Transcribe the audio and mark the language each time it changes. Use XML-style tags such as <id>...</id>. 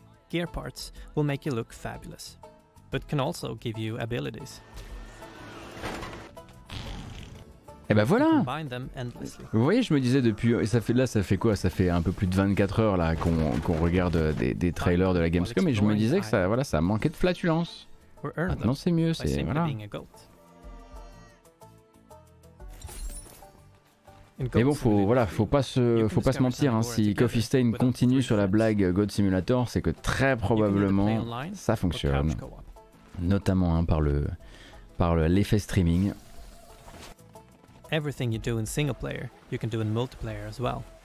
<en>Gear parts will make you look fabulous, but can also give you abilities.</en> <fr>Eh ben voilà.</fr> <en>Combine them endlessly.</en> <fr>Vous voyez, je me disais depuis, ça fait quoi? Ça fait un peu plus de 24 heures là qu'on regarde des trailers de la Gamescom, et je me disais que ça manquait de flatulence. Non, c'est mieux, c'est voilà. Mais bon, faut pas se mentir, hein. Si Coffee Stain continue sur la blague God Simulator, c'est que très probablement ça fonctionne, notamment hein, par l'effet streaming.</fr> <en>Everything you do in single player, you can do in multiplayer as well.</en>